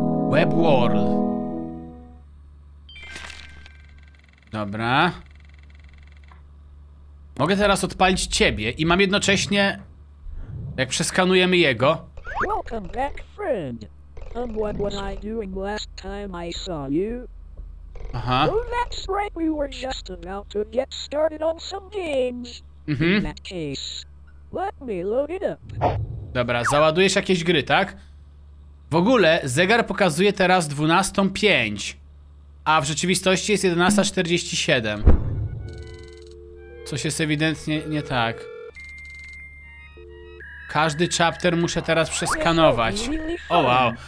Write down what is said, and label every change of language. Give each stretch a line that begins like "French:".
English: Web World.
Polish: Dobra. Mogę teraz odpalić ciebie i mam jednocześnie... Jak przeskanujemy jego...
English: Welcome back, friend. What was I doing last time I saw you? Uh-huh. Oh, that's right. We were just about to get started on some games. Mm-hmm. In that case, let me load it up.
Polish: Dobra, załadujesz jakieś gry, tak? W ogóle zegar pokazuje teraz 12:05, a w rzeczywistości jest 11:47. Coś jest ewidentnie nie tak. Każdy chapter muszę teraz przeskanować. O, wow.